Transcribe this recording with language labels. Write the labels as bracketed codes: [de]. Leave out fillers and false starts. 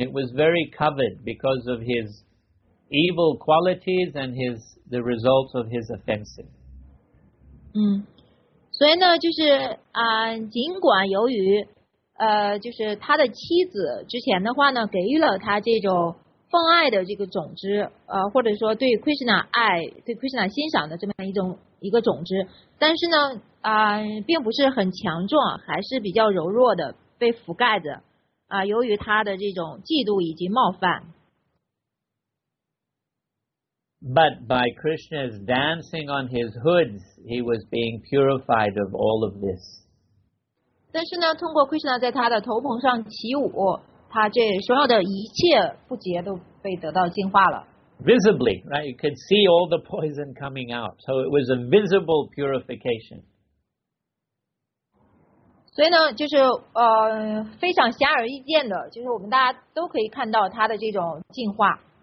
[en] It was very covered because of his evil qualities and the result of his offenses. [zh] 所以呢，就是尽管由于就是他的妻子之前的话呢，给予了他这种奉爱的这个种子，或者说对 Krishna 爱、对 Krishna 欣赏的这么一个种子，但是呢，并不是很强壮，还是比较柔弱的，被覆盖着，由于他的这种嫉妒以及冒犯。 [en] But by Krishna's dancing on his hoods, he was being purified of all of this. [zh] 但是呢，通过 Krishna 在他的头棚上起舞，他这所有的一切不洁都被得到净化了。 [en] Visibly, right? You could see all the poison coming out. So it was a visible purification. [zh] 所以呢，就是非常显而易见的，就是我们大家都可以看到他的这种进化。